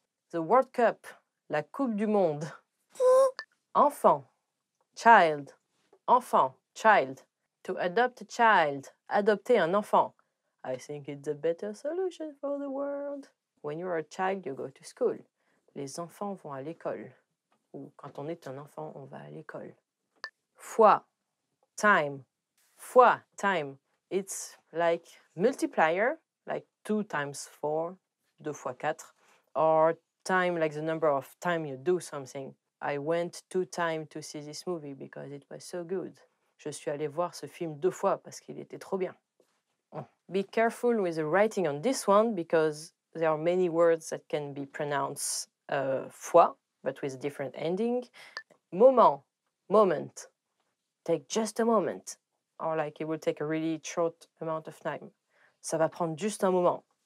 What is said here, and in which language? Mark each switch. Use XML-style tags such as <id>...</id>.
<en>The World Cup. La Coupe du Monde. Enfant. Child. Enfant. Child. To adopt a child.</en> <fr>Adopter un enfant.</fr> <en>I think it's a better solution for the world. When you are a child, you go to school.</en> <fr>Les enfants vont à l'école. Ou quand on est un enfant, on va à l'école. Foi. Time. Foi. Time.</fr> <en>It's like multiplier, like 2 times 4, 2 fois 4. Or time, like the number of time you do something. I went 2 times to see this movie because it was so good.</en> <fr>Je suis allé voir ce film 2 fois parce qu'il était trop bien.</fr> <en>Be careful with the writing on this one because there are many words that can be pronounced fois, but with a different ending. Moment, moment. Take just a moment. Or like it will take a really short amount of time.</en> <fr>Ça va prendre juste un moment.</fr>